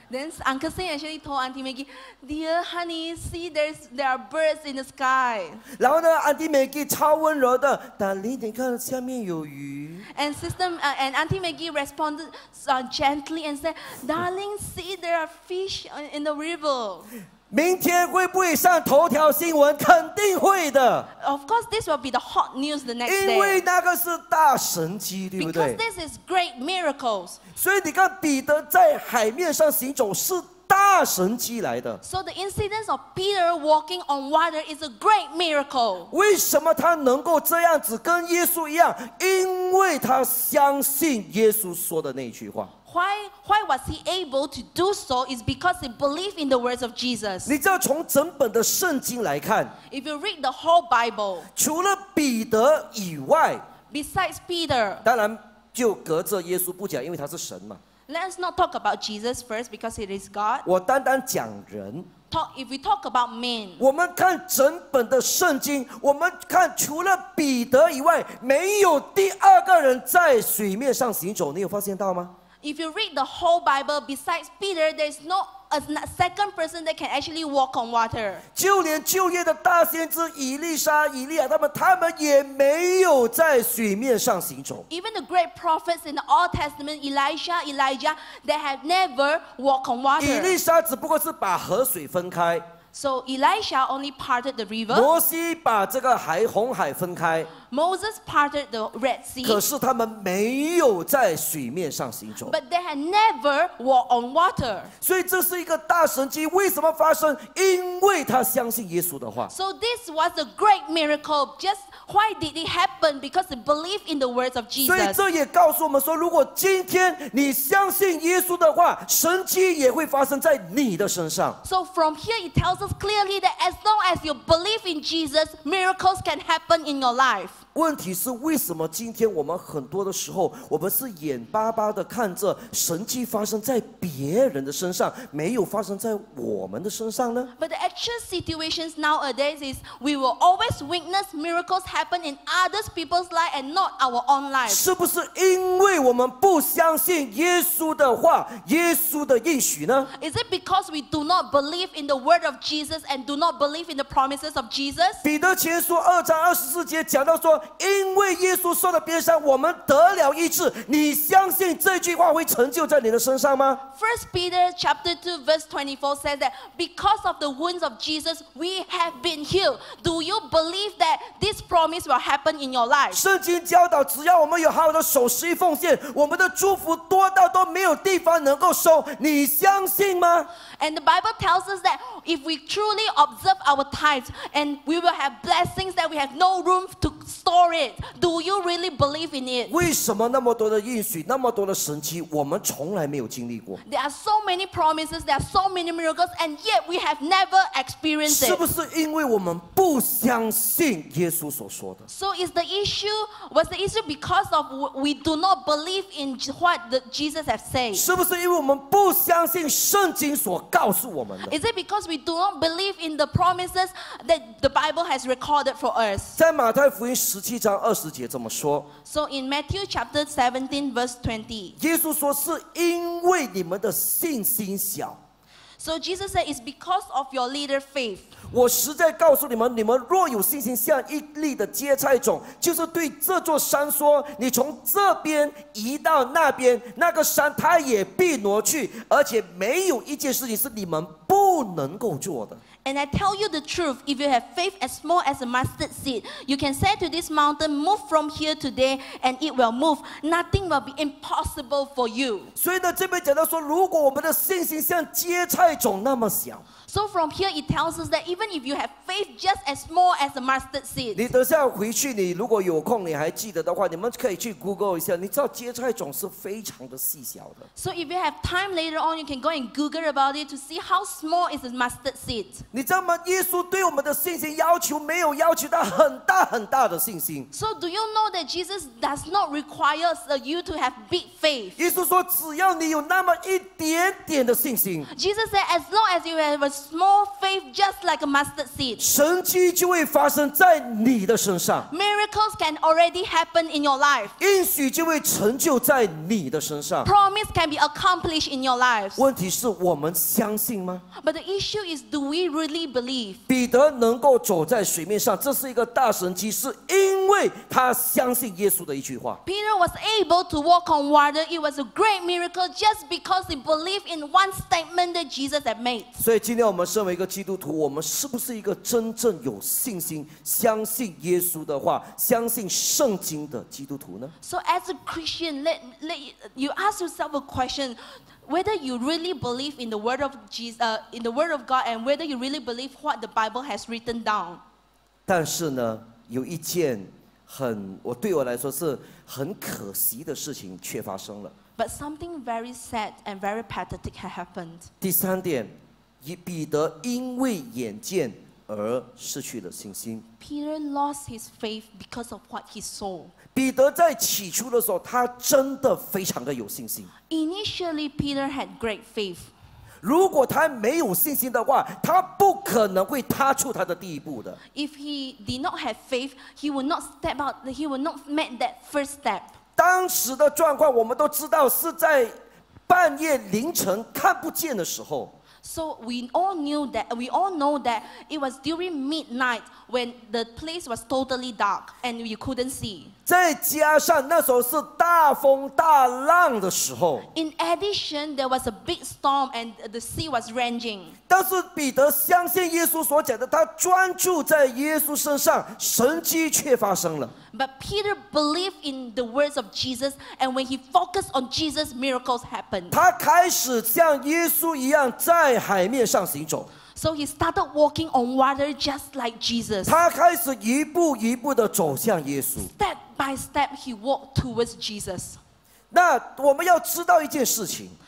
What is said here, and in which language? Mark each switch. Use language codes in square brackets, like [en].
[en] Then Uncle Sim actually told Auntie Maggie, "Dear honey, see there are birds in the sky." [zh] 然后呢 ，Auntie Maggie 超温柔的 ，Darling， 你看下面有鱼。 [en] And sister and Auntie Maggie responded gently and said, "Darling, see there are fish in the river." [zh] 明天会不会上头条新闻？肯定会的。 [en] Of course, this will be the hot news the next day. [zh] 因为那个是大神迹，对不对 [en] ？Because this is great miracles. [zh] 所以你看，彼得在海面上行走是大神迹来的。 [en] So the incident of Peter walking on water is a great miracle. [zh] 为什么他能够这样子跟耶稣一样？因为他相信耶稣说的那句话。 [en] Why was he able to do so? Is because he believed in the words of Jesus. [zh] 你知道从整本的圣经来看 [en] ，If you read the whole Bible， [zh] 除了彼得以外 [en] ，Besides Peter， [zh] 当然就隔着耶稣不讲，因为他是神嘛。 [en] Let's not talk about Jesus first because it is God. [zh] 我单单讲人。 [en] If we talk about men， [zh] 我们看整本的圣经，我们看除了彼得以外，没有第二个人在水面上行走，你有发现到吗？ [en] If you read the whole Bible, besides Peter, there's no a second person that can actually walk on water. [zh] 就连旧约的大先知以利沙、以利亚，他们也没有在水面上行走。 [en] Even the great prophets in the Old Testament, Elisha, Elijah, they have never walked on water. [zh] 以利沙只不过是把河水分开。 [en] So Elisha only parted the river. [zh] 摩西把这个海红海分开。 [en] Moses parted the Red Sea. [zh] 可是他们没有在水面上行走。 [en] But they had never walked on water. [zh] 所以这是一个大神迹，为什么发生？因为他相信耶稣的话。 [en] So this was a great miracle. Just why did it happen? Because they believed in the words of Jesus. [zh] 所以这也告诉我们说，如果今天你相信耶稣的话，神迹也会发生在你的身上。 [en] So from here it tells us clearly that as long as you believe in Jesus, miracles can happen in your life. [zh] 问题是为什么今天我们很多的时候，我们是眼巴巴的看着神迹发生在别人的身上，没有发生在我们的身上呢 [en] ？But the actual situations nowadays is we will always witness miracles happen in others people's life and not our own life. [zh] 是不是因为我们不相信耶稣的话、耶稣的应许呢 [en] ？Is it because we do not believe in the word of Jesus and do not believe in the promises of Jesus？ [zh] 彼得前书二章二十四节讲到说。因为耶稣受了鞭伤，我们得了医治。你相信这句话会成就在你的身上吗 [en] ？First Peter chapter 2 verse 24 says that because of the wounds of Jesus we have been healed. Do you believe that this promise will happen in your life？ [zh] 圣经教导，只要我们有好的守时奉献，我们的祝福多到都没有地方能够收。你相信吗 [en] ？And the Bible tells us that if we truly observe our tithes and we will have blessings that we have no room to。 Store it. Do you really believe in it? [zh] 为什么那么多的应许，那么多的神迹，我们从来没有经历过 [en] ？There are so many promises, there are so many miracles, and yet we have never experienced it. [zh] 是不是因为我们不相信耶稣所说的 [en] ？So is the issue? Was the issue because of we do not believe in what the Jesus have said? [zh] 是不是因为我们不相信圣经所告诉我们的 [en] ？Is it because we do not believe in the promises that the Bible has recorded for us? [zh] 在马太福音。十七章二十节这么说。 [en] So in Matthew chapter 17 verse 20, [zh] 耶稣说是因为你们的信心小。 [en] So Jesus said, it's because of your little faith. [zh] 我实在告诉你们，你们若有信心像一粒的芥菜种，就是对这座山说，你从这边移到那边，那个山它也必挪去，而且没有一件事情是你们不能够做的。 [en] And I tell you the truth, if you have faith as small as a mustard seed, you can say to this mountain, move from here today, and it will move. Nothing will be impossible for you. [zh] 所以呢，这边讲到说，如果我们的信心像芥菜种那么小。 [en] So from here, it tells us that even if you have faith just as small as a mustard seed. [zh] 你等下回去，你如果有空，你还记得的话，你们可以去 Google 一下。你知道芥菜种是非常的细小的。 [en] So if you have time later on, you can go and Google about it to see how small is a mustard seed. [zh] 你知道吗？耶稣对我们的信心要求没有要求到很大很大的信心。 [en] So do you know that Jesus does not require you to have big faith? [zh] 耶稣说，只要你有那么一点点的信心。 [en] Jesus said, as long as you have a small faith just like a mustard seed. [zh] 神迹就会发生在你的身上。 [en] Miracles can already happen in your life. [zh] 应许就会成就在你的身上。 [en] Promise can be accomplished in your life. [zh] 问题是我们相信吗？ [en] But the issue is, do we really believe? [zh] 彼得能够走在水面上，这是一个大神迹，是因为他相信耶稣的一句话。 [en] Peter was able to walk on water. It was a great miracle just because he believed in one statement that Jesus had made. [zh] 所以今天我们身为一个基督徒，我们是不是一个真正有信心相信耶稣的话、相信圣经的基督徒呢？ [en] So as a Christian, you ask yourself a question, whether you really believe in the word of Jesus, in the word of God, and whether you really believe what the Bible has written down. [zh] 但是呢，有一件很我对我来说是很可惜的事情却发生了。 [en] But something very sad and very pathetic had happened. [zh] 第三点，彼得因为眼见而失去了信心。 [en] Peter lost his faith because of what he saw. [zh] 彼得在起初的时候，他真的非常的有信心。 [en] Initially, Peter had great faith. [zh] 如果他没有信心的话，他不可能会踏出他的第一步的。 [en] If he did not have faith, he would not step out. He would not make that first step. [zh] 当时的状况，我们都知道是在半夜凌晨看不见的时候。 [en] So we all know that it was during midnight when the place was totally dark and you couldn't see. [zh] 再加上那时候是大风大浪的时候。 [en] In addition, there was a big storm and the sea was raging. [zh] 但是彼得相信耶稣所讲的，他专注在耶稣身上，神迹却发生了。 [en] But Peter believed in the words of Jesus, and when he focused on Jesus, miracles happened. [zh] 他开始像耶稣一样在海面上行走。 [en] So he started walking on water just like Jesus. [zh] 他开始一步一步地走向耶稣。 [en] Step by step, he walked towards Jesus. [zh] 那我们要知道一件事情。